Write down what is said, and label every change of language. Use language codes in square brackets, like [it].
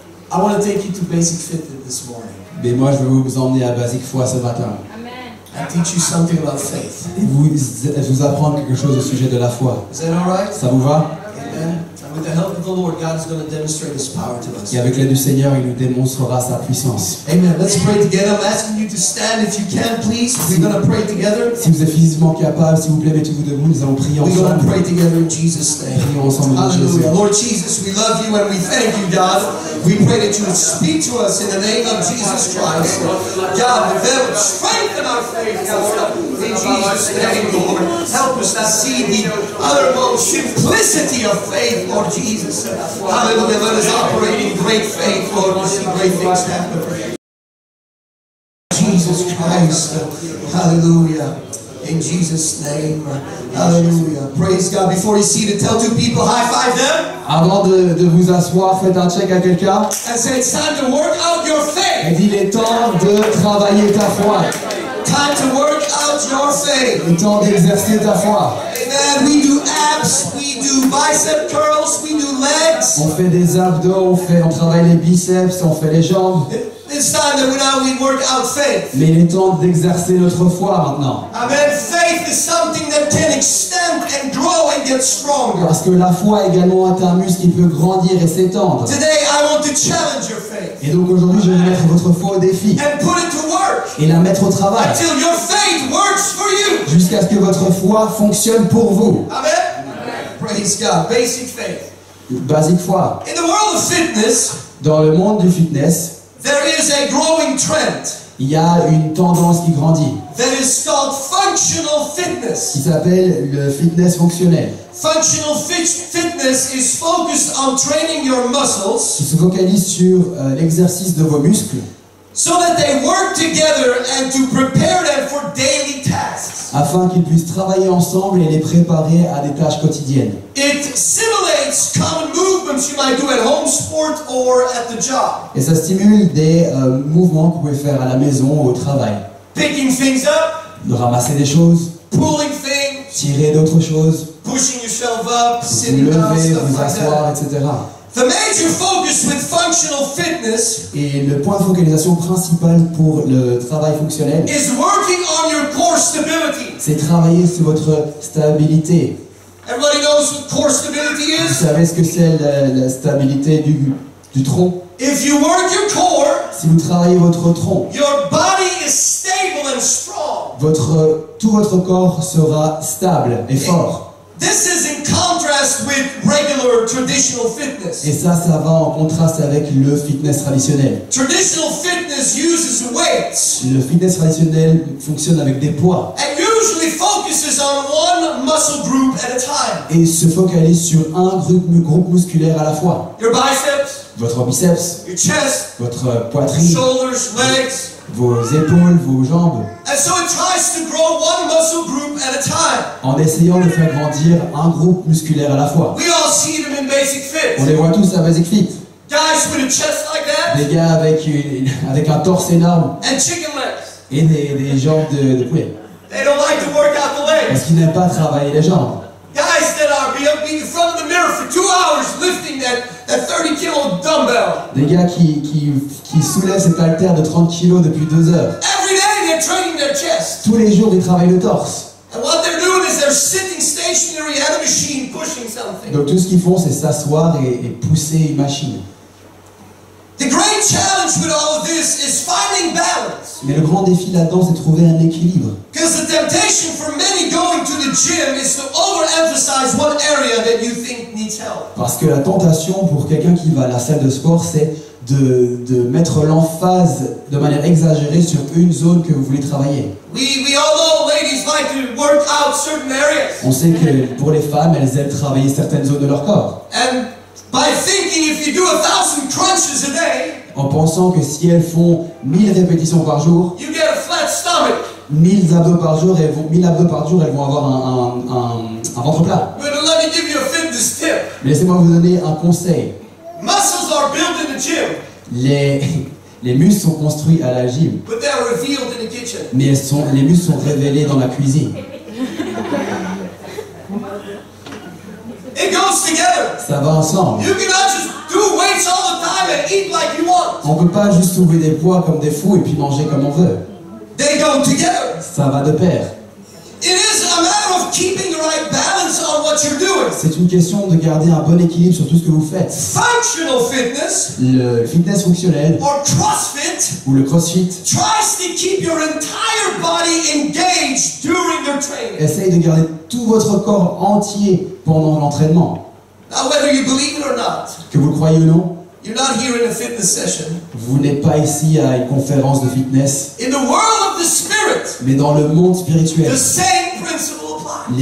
[en] I want to take you to Basic Fit this morning. [fr] Mais moi, je veux vous emmener à Basic Foi ce matin. [en] Amen. and teach you something about faith. [fr] Vous apprendre quelque chose au sujet de la foi. [en] Is that all right? [fr] Ça vous va? [en] Amen. And with the help of the Lord, God is going to demonstrate His power to us. [fr] Et avec l'aide du Seigneur, il nous démontrera sa puissance. [en] Amen. Let's pray together. I'm asking you to stand if you can, please. We're going to pray together. [fr] Si vous êtes physiquement capable, s'il vous plaît, mettez-vous debout. Nous allons prier ensemble. [en] We're going to pray together in Jesus' name. [fr] Prions ensemble en Jésus. [en] Lord Jesus, we love you and we thank you, God. We pray that you would speak to us in the name of Jesus Christ. God, develop strength in our faith, God. In Jesus' name, Lord. Help us to see the uttermost simplicity of faith, Lord Jesus. Hallelujah. Let us operate in great faith, Lord. We'll see great things happen. Jesus Christ. Hallelujah. In Jesus' name. Hallelujah. Praise God. Before you see it, tell two people, high five them. [fr] Avant de vous asseoir, faites un check à quelqu'un. [en] And say, it's time to work out your faith. [fr] Et dis, il est temps de travailler ta foi. [en] Time to work out your faith. [fr] Il est temps d'exercer ta foi. [en] Amen. We do abs, we do bicep curls, we do legs. [fr] On fait des abdos, on travaille les biceps, on fait les jambes. [en] It's time that now we work out faith. [fr] Mais il est temps d'exercer notre foi maintenant. [en] Amen. Faith is something that can extend and grow and get stronger. [fr] Parce que la foi également est un muscle qui peut grandir et s'étendre. [en] Today I want to challenge your faith. [fr] Et donc aujourd'hui je vais mettre votre foi au défi. [en] And put it to work. [fr] Et la mettre au travail. [en] Until your faith works for you. [fr] Jusqu'à ce que votre foi fonctionne pour vous. [en] Amen. Praise God. Basic faith. [fr] Basique foi. [en] In the world of fitness. [fr] Dans le monde du fitness. [en] There is a growing trend. [fr] Il y a une tendance qui grandit. [en] That is called functional fitness. [fr] Qui s'appelle le fitness fonctionnel. [en] Functional fitness is focused on training your muscles. [fr] Qui se focalise sur l'exercice de vos muscles. [en] So that they work together and to prepare them for daily tasks. [fr] Afin qu'ils puissent travailler ensemble et les préparer à des tâches quotidiennes. [en] It simulates common movements you might do at home sport or at the job. [fr] Et ça stimule des mouvements que vous pouvez faire à la maison ou au travail. [en] Picking things up. [fr] De ramasser des choses. [en] Pulling things. [fr] Tirer d'autres choses. [en] Pushing yourself up. Sitting down. [fr] Vous lever, vous asseoir, etc. [en] The major focus with functional fitness. [fr] Et le point de focalisation principal pour le travail fonctionnel. [en] Is working on your core stability. [fr] C'est travailler sur votre stabilité. [en] Everybody knows what core stability is. [fr] Vous savez ce que c'est la stabilité du tronc. [en] If you work your core. [fr] Si vous travaillez votre tronc. [en] Your body is stable and strong. [fr] Tout votre corps sera stable et fort. [en] This is in contrast with regular traditional fitness. [fr] Et ça va en contraste avec le fitness traditionnel. [en] Traditional fitness uses weights. [fr] Le fitness traditionnel fonctionne avec des poids. [en] And usually focuses on one muscle group at a time. [fr] Et se focalise sur un groupe musculaire à la fois. [en] Your biceps. [fr] Votre biceps. [en] Your chest. [fr] Votre poitrine. [en] Shoulders, legs. [fr] Vos épaules, vos jambes. [en] And so it tries to grow one muscle group at a time. [fr] En essayant de faire grandir un groupe musculaire à la fois. [en] We all see them in basic fit. [fr] On les voit tous à Basic Fit. [en] Guys with a chest like that. [fr] Des gars avec un torse énorme. [en] And chicken legs. [fr] Et des jambes de poulet. [en] They don't like to work out the legs. [fr] Parce qu'ils n'aiment pas travailler les jambes. [en] Guys that are being in front of the mirror for 2 hours lifting that 30 kilo dumbbell. [fr] Des gars qui soulèvent cet haltère de 30 kilos depuis 2 heures. [en] Every day they're training their chest. [fr] Tous les jours ils travaillent le torse. [en] And what they're doing is they're sitting stationary at a machine pushing something. [fr] Donc tout ce qu'ils font c'est s'asseoir et pousser une machine. [en] The great challenge with all of this is finding balance. [fr] Mais le grand défi là-dedans c'est trouver un équilibre. [en] Because the temptation for many going to the gym is to overemphasize one area that you think needs help. [fr] Parce que la tentation pour quelqu'un qui va à la salle de sport c'est de mettre l'emphase de manière exagérée sur une zone que vous voulez travailler. [en] We all know ladies like to work out certain areas. [fr] On sait que pour les femmes elles aiment travailler certaines zones de leur corps. [en] And by thinking if you do 1,000 crunches a day, [fr] en pensant que si elles font 1000 répétitions par jour, [en] you get a flat stomach. [fr] 1000 abdos par jour, elles vont avoir un ventre plat. [en] But let me give you a fitness tip. [fr] Mais laissez-moi vous donner un conseil. [en] Muscles are built in the gym. [fr] Les muscles sont construits à la gym. [en] But they are revealed in the kitchen. [fr] Mais les muscles sont révélés dans la cuisine. [en] It goes together. [fr] Ça va ensemble. [en] You cannot just do weights all the time and eat like you want. [fr] On peut pas juste soulever des poids comme des fous et puis manger comme on veut. [en] They go together. [fr] Ça va de pair. [en] It is a matter of keeping the right balance on what you're doing. [fr] C'est une question de garder un bon équilibre sur tout ce que vous faites. [en] Functional fitness. [fr] Le fitness fonctionnel. [en] Or CrossFit. [fr] Ou le CrossFit. [en] Tries to keep your entire body engaged during your training. [fr] Essaye de garder tout votre corps entier pendant l'entraînement. [en] Now, whether you believe it or not. [fr] Que vous le croyez ou non. [en] You're not here in a fitness session. [fr] Vous n'êtes pas ici à une conférence de fitness. [en] In the world of the spirit, [fr] mais dans le monde spirituel, [en] the same principle applies.